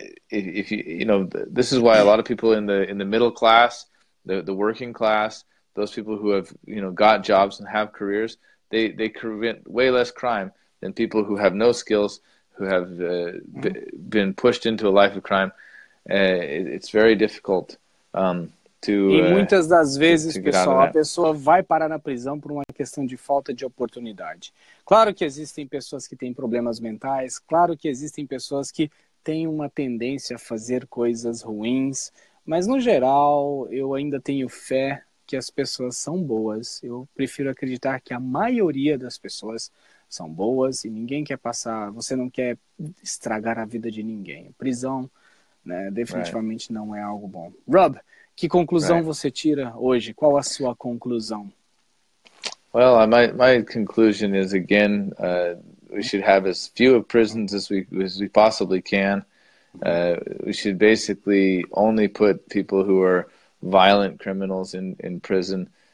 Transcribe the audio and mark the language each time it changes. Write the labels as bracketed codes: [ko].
[en] If you know, this is why a lot of people in the middle class, the working class, those people who have, you know, got jobs and have careers, they commit way less crime than people who have no skills, who have been pushed into a life of crime. It's very difficult to [pt] E muitas das vezes, pessoal, a pessoa vai parar na prisão por uma questão de falta de oportunidade. Claro que existem pessoas que têm problemas mentais, claro que existem pessoas que têm uma tendência a fazer coisas ruins, mas, no geral, eu ainda tenho fé que as pessoas são boas. Eu prefiro acreditar que a maioria das pessoas são boas e ninguém quer passar, você não quer estragar a vida de ninguém. Prisão, né, definitivamente right. não é algo bom. Rob, que conclusão right. você tira hoje? Qual a sua conclusão? [en] Well, my conclusion is, again, we should have as few of prisons as we possibly can. We should basically only put people who are violent criminals in prison.